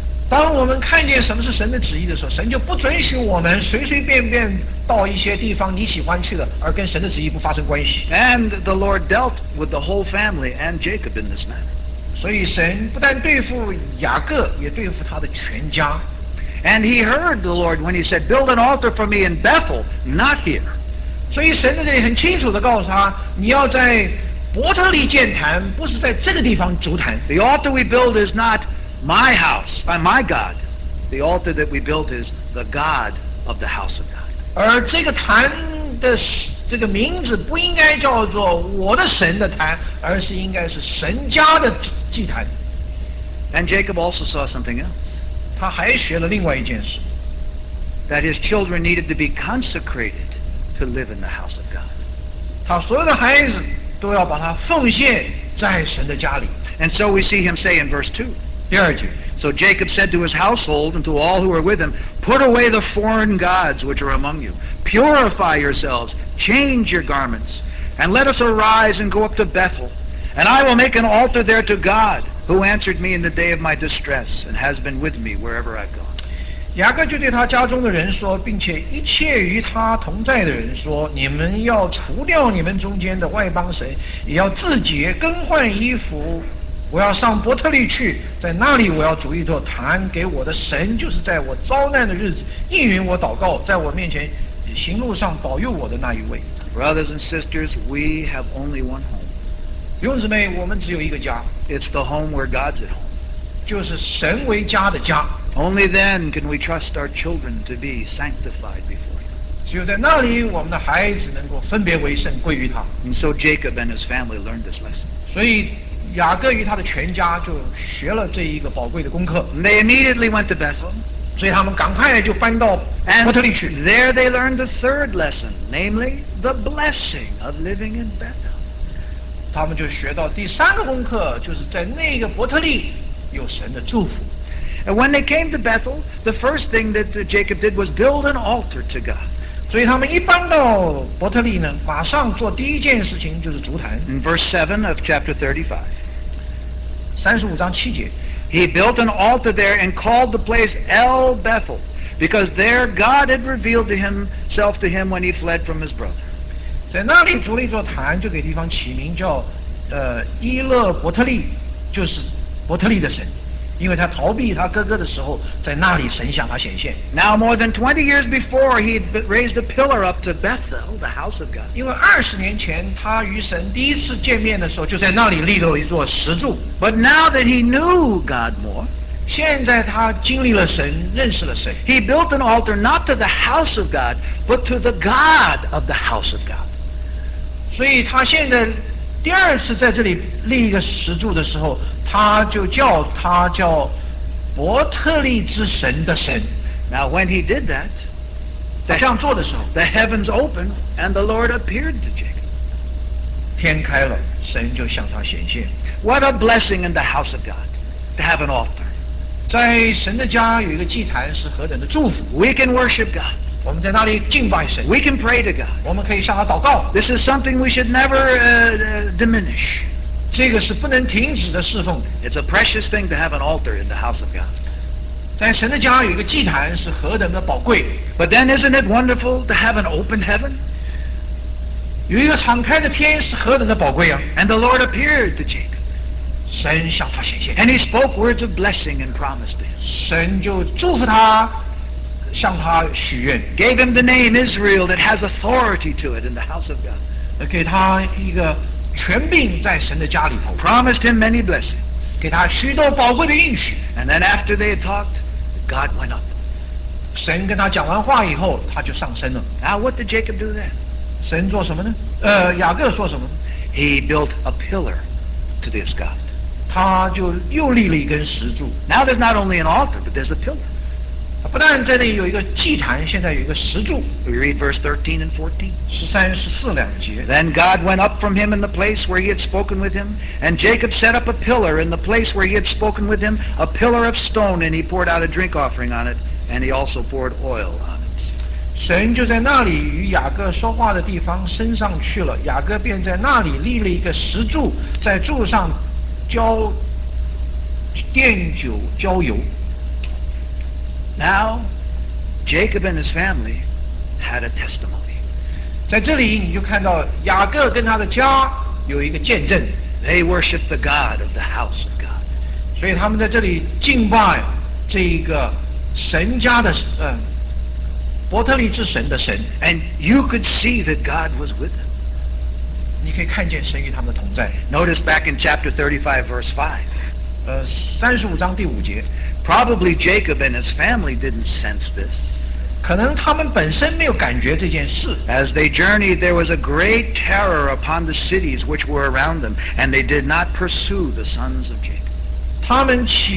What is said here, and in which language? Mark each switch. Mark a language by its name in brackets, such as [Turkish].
[Chinese] 当我们看见什么是神的旨意的时候，神就不准许我们随随便便到一些地方你喜欢去的，而跟神的旨意不发生关系。 [English] And the Lord dealt with the whole family and Jacob in this manner. [Chinese] 所以神不但对付雅各，也对付他的全家。 [English] And he heard the Lord when he said, Build an altar for me in Bethel, not here. [Chinese] 所以神在这里很清楚地告诉他，你要在伯特利建坛，不是在这个地方筑坛。 [English] The altar we build is not... My house, by my God, the altar that we built is the God of the house of God. [Chinese] 而这个坛的这个名字不应该叫做我的神的坛，而是应该是神家的祭坛。 [English] And Jacob also saw something else. [Chinese] 他还学了另外一件事。 [English] That his children needed to be consecrated to live in the house of God. [Chinese] 他所有的孩子都要把他奉献在神的家里。 [English] And so we see him say in verse 2. [Chinese] 第二节 [English] So Jacob said to his household and to all who were with him, Put away the foreign gods which are among you. Purify yourselves, change your garments, and let us arise and go up to Bethel. And I will make an altar there to God, who answered me in the day of my distress, and has been with me wherever I've gone. [Chinese] 雅各就对他家中的人说，并且一切与他同在的人说，你们要除掉你们中间的外邦神，也要自洁更换衣服，我要上伯特利去，在那里我要筑一座坛给我的神，就是在我遭难的日子应允我祷告，在我面前行路上保佑我的那一位。 [English] Brothers and sisters, we have only one home. [Chinese] 弟兄姊妹，我们只有一个家。 [English] It's the home where God's at home. [Chinese] 就是神为家的家。 [English] Only then can we trust our children to be sanctified before Him. [Chinese] 只有在那里我们的孩子能够分别为圣，归于他。 [English] And so Jacob and his family learned this lesson. [Chinese] 所以雅各与他的全家就学了这一个宝贵的功课。 [English] And they immediately went to Bethel. [Chinese] 所以他们赶快就搬到伯特利去。 [English] There they learned the third lesson, namely the blessing of living in Bethel. [Chinese] 他们就学到第三个功课，就是在那个伯特利有神的祝福。 [English] And when they came to Bethel, the first thing that Jacob did was build an altar to God. [Chinese] 所以他们一搬到伯特利呢，马上做第一件事情就是筑坛。 [English] In verse 7 of chapter 35, [Chinese] 35章七节。 [English] He built an altar there and called the place El Bethel, because there God had revealed to himself to him when he fled from his brother. [Chinese] 在那里筑了一座坛，就给地方起名叫伊勒伯特利，就是伯特利的神，因为他逃避他哥哥的时候，在那里神向他显现。 [English] Now more than 20 years before, he had raised a pillar up to Bethel, the house of God. [Chinese] 因为二十年前他与神第一次见面的时候，就在那里立了一座石柱。 [English] But now that he knew God more, [Chinese] 现在他经历了神，认识了神。 [English] He built an altar not to the house of God, but to the God of the house of God. [Chinese] 所以他现在第二次在这里立一个石柱的时候，他就叫他叫伯特利之神的神。 [English] Now when he did that, [Chinese] 他这样做的时候， [English] the heavens opened and the Lord appeared to Jacob. [Chinese] 天开了，神就向他显现。 [English] What a blessing in the house of God to have an altar. [Chinese] 在神的家有一个祭坛是何等的祝福。 [English] We can worship God. [Chinese] 我们在那里敬拜神。 [English] We can pray to God. [Chinese] 我们可以向他祷告。 [English] This is something we should never diminish. [Chinese] 这个是不能停止的侍奉。 [English] It's a precious thing to have an altar in the house of God. [Chinese] 在神的家有一个祭坛是何等的宝贵。 [English] But then isn't it wonderful to have an open heaven? [Chinese] 有一个敞开的天是何等的宝贵啊。 [English] And the Lord appeared to Jacob. [Chinese] 神向他显现。 [English] And he spoke words of blessing and promised him. [Chinese] 神就祝福他。向他许愿 [English] gave him the name Israel that has authority to it in the house of God. [Chinese] 给他一个权柄在神的家里头 [English] promised him many blessings. [Chinese] 给他许多宝贵的应许 [English] and then after they had talked, God went up. [Chinese] 神跟他讲完话以后，他就上升了。 [English] Now what did Jacob do then? [Chinese] 神做什么呢？雅各说什么呢？ [English] He built a pillar to this God. [Chinese] 他就又立了一根石柱。 [English] Now there's not only an altar, but there's a pillar. [Chinese] 不但在那里有一个祭坛，现在有一个石柱。 [English] We read verse 13 and 14. [Chinese] 十三、十四两节。 [English] Then God went up from him in the place where he had spoken with him, and Jacob set up a pillar in the place where he had spoken with him, a pillar of stone, and he poured out a drink offering on it, and he also poured oil on it. [Chinese] 神就在那里与雅各说话的地方升上去了，雅各便在那里立了一个石柱，在柱上浇奠酒浇油。 [English] Now, Jacob and his family had a testimony. [Chinese] 在这里你就看到雅各跟他的家有一个见证。 [English] They worshiped the God of the house of God. [Chinese] 所以他们在这里敬拜这一个神家的伯特利之神的神。 [English] And you could see that God was with them. [Chinese] 你可以看见神与他们的同在。 [English] Notice back in chapter 35, verse 5. [Chinese] 三十五章第五节。 [English] Probably Jacob and his family didn't sense this. [Chinese] 可能他们本身没有感觉这件事。 [English] As they journeyed, there was a great terror upon the cities which were around them, and they did not pursue the sons of Jacob.